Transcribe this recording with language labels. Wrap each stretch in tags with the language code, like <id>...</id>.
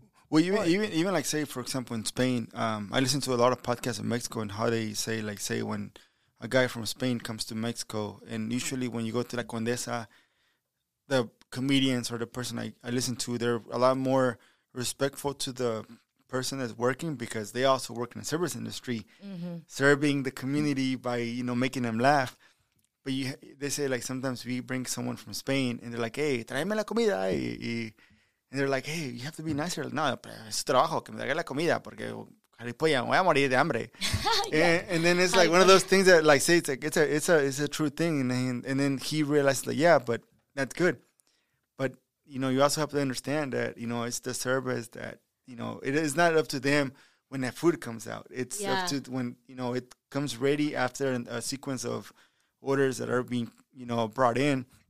<en>Well, even like, say, for example, in Spain, I listen to a lot of podcasts in Mexico and how they say, like, say when a guy from Spain comes to Mexico, and usually when you go to La Condesa, the comedians or the person I listen to, they're a lot more respectful to the person that's working because they also work in the service industry, serving the community by, you know, making them laugh. But they say, like, sometimes we bring someone from Spain and they're like, hey,</en> <es>tráeme la comida,</es> <en>and they're like, hey, you have to be nicer.</en> <es>No, es trabajo, que me traiga la comida, porque voy a morir de hambre.</es> <en>And then it's like one of those things that, like, say, it's like, it's a true thing. And then he realized, like, yeah, but that's good. But, you know, you also have to understand that, you know, it's the service that, you know, it is not up to them when that food comes out. It's up to when, you know, it comes ready after a sequence of orders that are being, you know, brought in.</en>